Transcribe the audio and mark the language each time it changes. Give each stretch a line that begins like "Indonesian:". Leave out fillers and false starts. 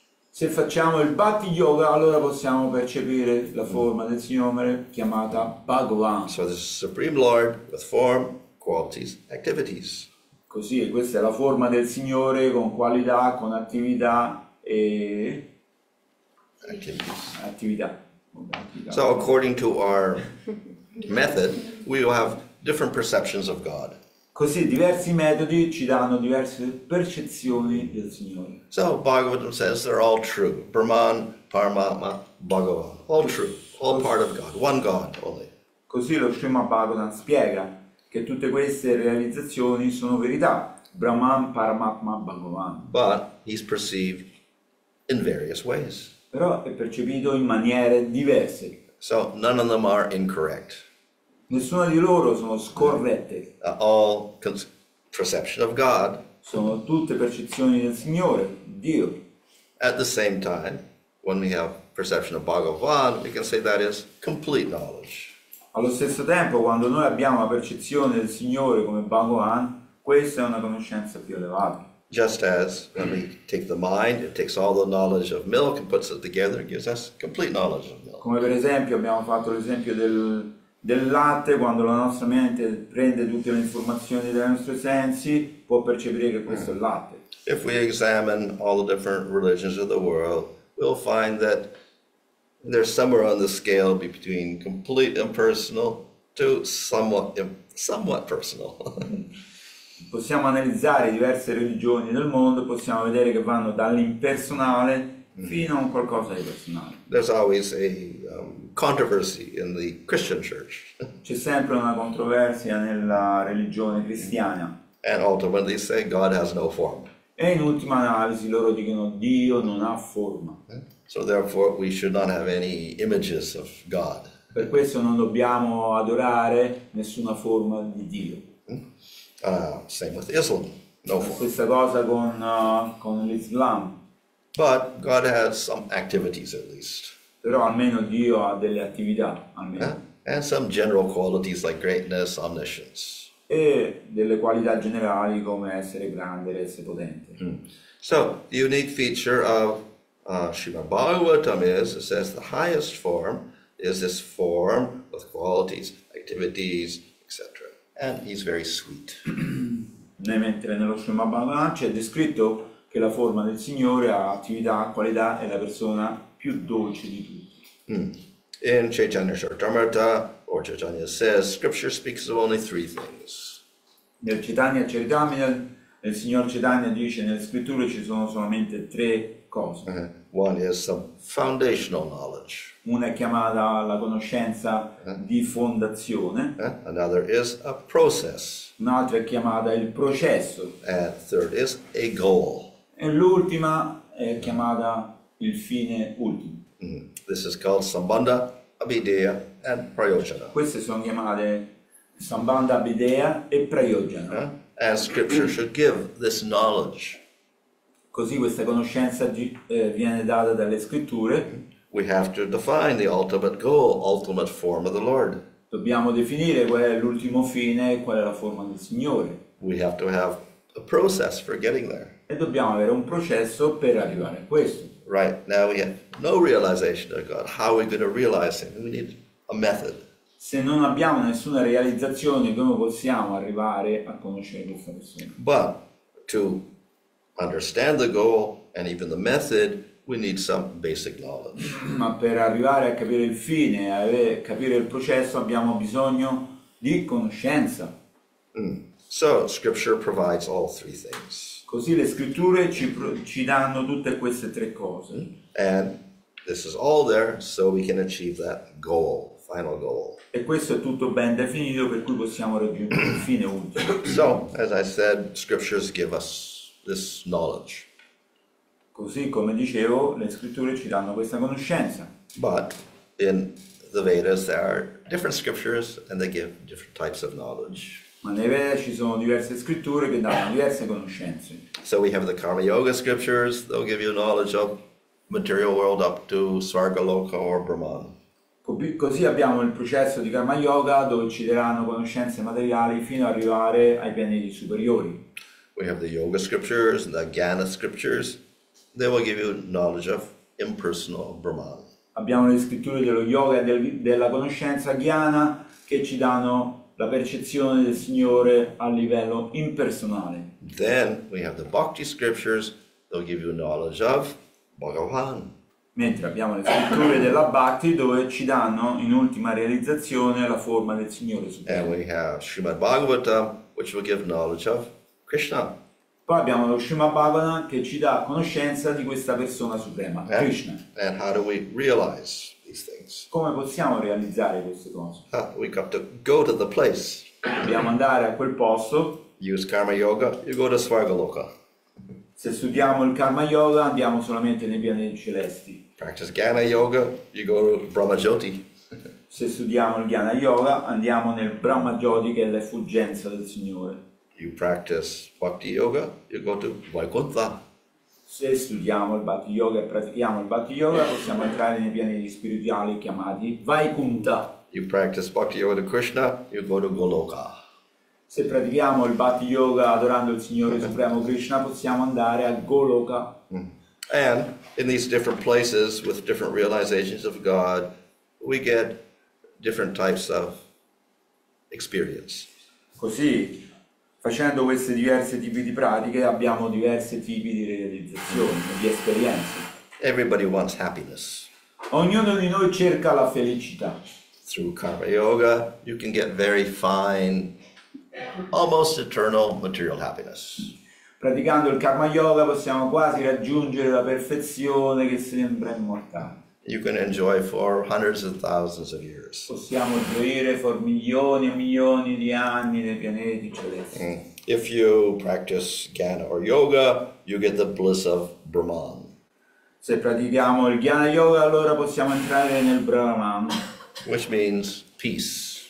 Italian: Se facciamo il bhakti yoga, allora possiamo percepire la forma del Signore chiamata Bhagavan.
English: So this is Supreme Lord with form, qualities, activities.
Italian: Così, questa è la forma del Signore con qualità, con attività e attività.
English: So according to our method, we will have different perceptions of God.
Italian: Così diversi metodi ci danno diverse percezioni del Signore.
English: So Bhagavatam says they're all true. Brahman, Paramatma, Bhagavan. All true, all part of God, one God only.
Italian: Così lo Srimad Bhagavatam spiega che tutte queste realizzazioni sono verità. Brahman, Paramatma, Bhagavan.
English: But he's perceived in various ways.
Italian: Però è percepito in maniere diverse.
English: So none of them are incorrect.
Italian: Nessuna di loro sono scorrette.
English: All perception of God.
Italian: Sono tutte percezioni del Signore, Dio.
English: At the same time, when we have perception of Bhagavan, we can say that is complete knowledge.
Italian: Allo stesso tempo, quando noi abbiamo la percezione del Signore come Bhagavan, questa è una conoscenza più elevata.
English: Just as when we take the mind, it takes all the knowledge of milk and puts it together and gives us complete knowledge of milk.
Italian: Come per esempio abbiamo fatto l'esempio del latte, quando la nostra mente prende tutte le informazioni dai nostri sensi, può percepire che questo è il latte.
English: If we examine all the different religions of the world, we'll find that there's somewhere on the scale between complete impersonal to somewhat personal.
Italian: Possiamo analizzare diverse religioni del mondo, possiamo vedere che vanno dall'impersonale fino a un qualcosa di personale.
English: There's always a controversy in the Christian church.
Italian: C'è sempre una controversia nella religione cristiana.
English: And ultimately they say God has no form.
Italian: E in ultima analisi loro dicono Dio non ha forma.
English: So therefore we should not have any images of God.
Italian: Per questo non dobbiamo adorare nessuna forma di Dio.
English: Same with Islam. No form.
Italian: Stessa cosa con l'Islam.
English: But God has some activities at least.
Italian: Però almeno Dio ha delle attività, almeno. Yeah?
English: And some general qualities like greatness, omniscience.
Italian: E delle qualità generali come essere grande, essere potente. Mm.
English: So, the unique feature of Srimad Bhagavatam is, it says, the highest form is this form with qualities, activities, etc. And he's very sweet.
Italian: Mentre nello Srimad Bhagavatam c'è descritto che la forma del Signore ha attività, qualità e la persona più dolce di tutti.
English: Mm. In Chaitanya Charitamrita, Lord Chaitanya says, scripture speaks of only three things.
Italian: Nel Chaitanya Charitamrita, il Signor Chaitanya dice, nelle scritture ci sono solamente tre cose.
English: Uh-huh. One is some foundational knowledge.
Italian: Una è chiamata la conoscenza di fondazione.
English: Another is a process.
Italian: Un'altra è chiamata il processo.
English: And third is a goal.
Italian: E l'ultima è chiamata il fine ultimo.
English: Mm. This is called Sambandha, Abhideya and Prayojana.
Italian: Queste sono chiamate Sambandha, Abhideya e Prayojana.
English: And scripture should give this knowledge.
Italian: Così questa conoscenza viene data dalle scritture.
English: We have to define the ultimate goal, ultimate form of the Lord.
Italian: Dobbiamo definire qual è l'ultimo fine e qual è la forma del Signore.
English: We have to have a process for getting there.
Italian: E dobbiamo avere un processo per arrivare a questo.
English: Right, now we have no realization of God. How are we going to realize Him? We need a method.
Italian: Se non abbiamo nessuna realizzazione, come possiamo arrivare a conoscere questa persona?
English: But to understand the goal and even the method, we need some basic knowledge.
Italian: Ma per arrivare a capire il fine, a capire il processo, abbiamo bisogno di conoscenza.
English: Mm. So, scripture provides all three things.
Italian: Così le scritture ci danno tutte queste tre cose.
English: And this is all there so we can achieve that goal, final goal.
Italian: E questo è tutto ben definito per cui possiamo raggiungere il fine ultimo.
English: So, as I said, scriptures give us this knowledge.
Italian: Così come dicevo, le scritture ci danno questa conoscenza.
English: But in the Vedas, there are different scriptures and they give different types of knowledge.
Italian: Ma nei Veda ci sono diverse scritture che danno diverse conoscenze.
English: So we have the Karma Yoga scriptures, they'll give you knowledge of material world up to Svargaloka or Brahman.
Italian: Così abbiamo il processo di Karma Yoga dove ci daranno conoscenze materiali fino ad arrivare ai pianeti superiori.
English: We have the Yoga scriptures and the Jnana scriptures, they will give you knowledge of impersonal Brahman.
Italian: Abbiamo le scritture dello yoga e della conoscenza Jnana che ci danno la percezione del Signore a livello impersonale.
English: Then we have the Bhakti scriptures, they'll give you knowledge of Bhagavan.
Italian: Mentre abbiamo le scritture della Bhakti dove ci danno in ultima realizzazione la forma del Signore Supremo.
English: And we have Srimad Bhagavatam, which will give knowledge of Krishna.
Italian: Poi abbiamo lo Srimad Bhagavatam che ci dà conoscenza di questa persona suprema,
English: and, Krishna. And how do we realize these things?
Italian: Come possiamo realizzare queste cose?
English: We have to go to the place.
Italian: Dobbiamo andare a quel posto.
English: Use Karma Yoga, you go to Svargaloka.
Italian: Se studiamo il Karma Yoga, andiamo solamente nei pianeti celesti.
English: Practice Jnana Yoga, you go to Brahma Jyoti.
Italian: Se studiamo il Jnana Yoga, andiamo nel Brahma Jyoti, che è l'effulgenza del Signore.
English: You practice Bhakti Yoga, you go to Vaikuntha.
Italian: Se studiamo il Bhakti Yoga e pratichiamo il Bhakti Yoga, possiamo entrare nei pianeti spirituali chiamati Vaikuntha.
English: You practice Bhakti Yoga to Krishna, you go to Goloka.
Italian: Se pratichiamo il Bhakti Yoga adorando il Signore Supremo Krishna, possiamo andare a Goloka.
English: And in these different places with different realizations of God, we get different types of experience.
Italian: Così, facendo questi diversi tipi di pratiche, abbiamo diversi tipi di realizzazioni, di esperienze.
English: Everybody wants happiness.
Italian: Ognuno di noi cerca la felicità.
English: Through Karma Yoga, you can get very fine, almost eternal material happiness.
Italian: Praticando il Karma Yoga possiamo quasi raggiungere la perfezione che sembra immortale.
English: You can enjoy for hundreds of thousands of years.
Italian: Possiamo gioire per milioni e milioni di anni nei pianeti celesti.
English: If you practice Jnana or Yoga, you get the bliss of Brahman.
Italian: Se pratichiamo il Jnana Yoga, allora possiamo entrare nel Brahman.
English: Which means peace.